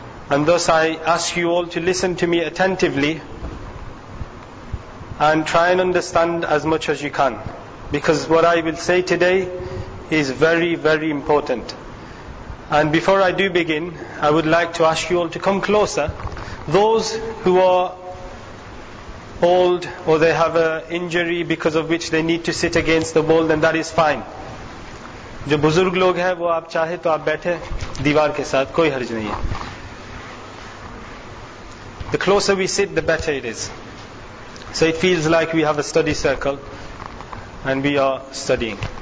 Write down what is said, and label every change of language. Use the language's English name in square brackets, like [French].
[English] And thus I ask you all to listen to me attentively and try and understand as much as you can, because what I will say today is very, very important. And before I do begin, I would like to ask you all to come closer. Those who are old or they have an injury because of which they need to sit against the wall, then that is fine. [Urdu] جو بزرگ لوگ ہیں وہ آپ چاہے تو آپ بیٹھے دیوار کے ساتھ, کوئی حرج نہیں ہے. [English] The closer we sit, the better it is. So it feels like we have a study circle and we are studying.